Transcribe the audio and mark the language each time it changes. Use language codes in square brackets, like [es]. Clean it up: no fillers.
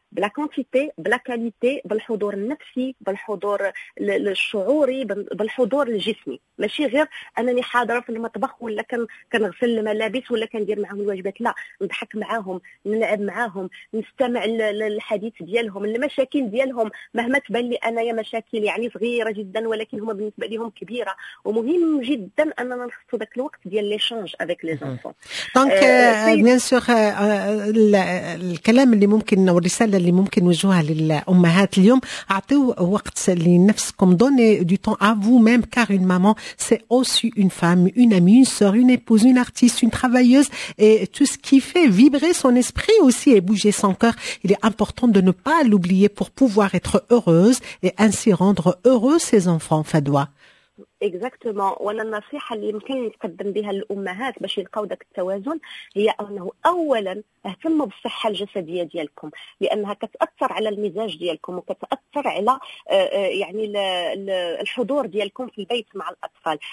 [ar] بلا كونتيتي بلا كاليتي، بالحضور النفسي بالحضور الشعوري بالحضور الجسمي، ماشي غير انني حاضره في المطبخ ولا كنغسل الملابس ولا كندير معاهم الوجبات، لا نضحك معاهم نلعب معاهم نستمع للحديث ديالهم المشاكل ديالهم مهما تبان لي انايا مشاكل يعني صغيره جدا ولكن هما بالنسبه ليهم كبيره. ومهم جدا اننا نخصوا داك الوقت ديال [fr] لي شونج افيك لي زونفون. [ar] دونك بيان سور الكلام اللي ممكن والرساله اللي ممكن نوجهها للامهات اليوم، اعطيو وقت لنفسكم، دوني دو طون ا فو ميم كار اون مامون [fr] c'est aussi une femme, une amie, une sœur, une épouse, une artiste, une travailleuse, et tout ce qui fait vibrer son esprit aussi et bouger son cœur, il est important de ne pas l'oublier pour pouvoir être heureuse et ainsi rendre heureux ses enfants, Fadwa. Exactement. [ar] وانا النصيحه اللي يمكن نقدم بها للامهات باش يلقاو داك التوازن هي انه اولا اهتموا بالصحه الجسديه ديالكم، لانها كتاثر على المزاج ديالكم وكتاثر على يعني الحضور ديالكم في البيت مع الاطفال.